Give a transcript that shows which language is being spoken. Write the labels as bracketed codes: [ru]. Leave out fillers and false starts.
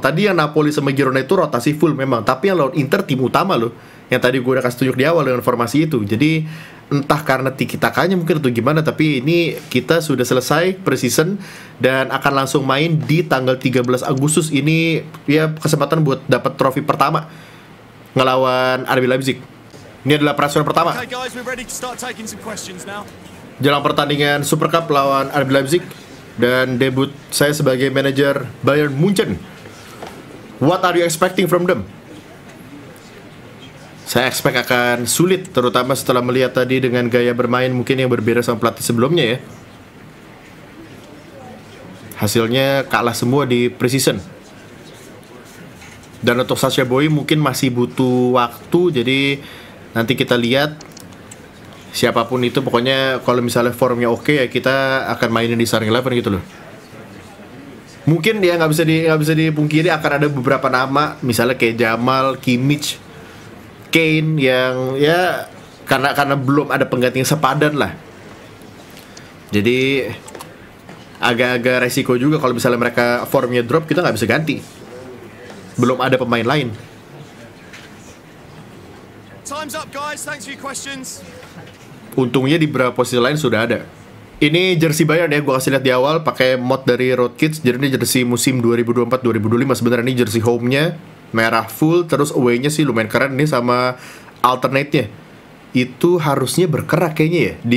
[id] Tadi yang Napoli sama Girona itu rotasi full memang, tapi yang lawan Inter tim utama loh, yang tadi gue udah kasih tunjuk di awal dengan formasi itu. Jadi entah karena tiki-takanya mungkin atau gimana, tapi ini kita sudah selesai pre-season dan akan langsung main di tanggal 13 Agustus. Ini ya kesempatan buat dapat trofi pertama ngelawan RB Leipzig. Ini adalah perasaan pertama. [en] Okay guys, we're ready to start taking some questions now. [id] Jelang pertandingan Super Cup lawan RB Leipzig dan debut saya sebagai manajer Bayern München. [en] What are you expecting from them? [id] saya expect akan sulit, terutama setelah melihat tadi dengan gaya bermain mungkin yang berbeda sama pelatih sebelumnya ya. Hasilnya kalah semua di pre-season. Dan untuk Sacha Boey mungkin masih butuh waktu, jadi nanti kita lihat. Siapapun itu, pokoknya kalau misalnya formnya oke ya kita akan mainin di starting eleven gitu loh. Mungkin dia nggak bisa dipungkiri akan ada beberapa nama, misalnya kayak Jamal, Kimmich, Kane yang ya karena belum ada pengganti yang sepadan lah. Jadi agak-agak resiko juga kalau misalnya mereka formnya drop, kita nggak bisa ganti. Belum ada pemain lain. [en] Time's up guys, thanks for your questions. [id] Untungnya di beberapa posisi lain sudah ada. Ini jersey Bayern ya, gue kasih lihat di awal pakai mod dari Road Kids. Jadi ini jersey musim 2024-2025. Sebenarnya ini jersey home-nya merah full, terus away-nya sih lumayan keren. Ini sama alternate-nya itu harusnya berkerak kayaknya ya.